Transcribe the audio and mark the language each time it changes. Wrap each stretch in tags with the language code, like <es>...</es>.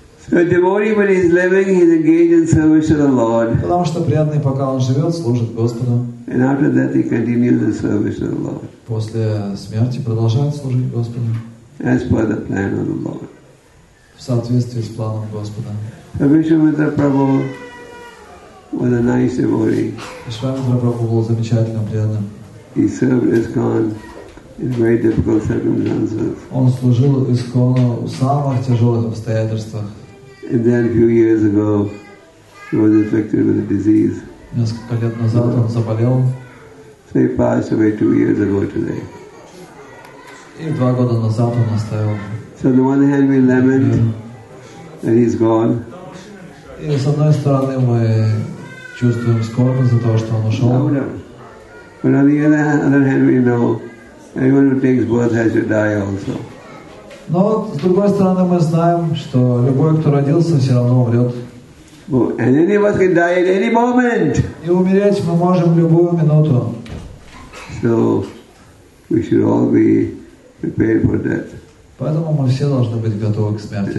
<en>So the devotee, when he's living, he's engaged in service to the Lord.</en> <ru>Потому что преданный, пока он живет, служит Господу.</ru> <en>And after that, he continues the service to the Lord.</en> <ru>После смерти продолжает служить Господу.</ru> <en>As per the plan of the Lord.</en> <ru>В соответствии с планом Господа.</ru> <en>So Vishwamitra Prabhu was a nice devotee.</en> <ru>Vishwamitra Prabhu был замечательным преданным.</ru> <en>He served ISKCON in very difficult circumstances.</en> <ru>Он служил ИСККОНу в самых тяжелых обстоятельствах.</ru> <en>And then a few years ago, he was infected with a disease.</en> <ru>Несколько лет назад он заболел.</ru> <en>So he passed away 2 years ago today.</en> <ru>И 2 года назад он оставил.</ru> <en>So on the one hand we lament that he's gone.</en> <ru>И с одной стороны мы чувствуем скорбь за то, что он ушел.</ru> <en>But on the other hand, we know anyone who takes birth has to die also.</en> <ru>Но с другой стороны мы знаем, что любой, кто родился, все равно умрет.</ru> <en>And any of us can die at any moment.</en> <ru>И умереть мы можем в любую минуту.</ru> <en>So we should all be prepared for death.</en> <ru>Поэтому мы все должны быть готовы к смерти.</ru>